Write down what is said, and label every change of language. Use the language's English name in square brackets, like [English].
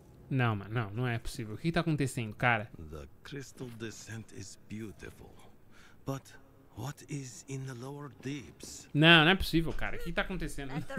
[Portuguese] Não, mano, não, não é possível. O que tá acontecendo, cara? [English] The crystal descent is beautiful, but... What is in the lower deeps? [Portuguese] Não, não é possível, cara. O que tá acontecendo?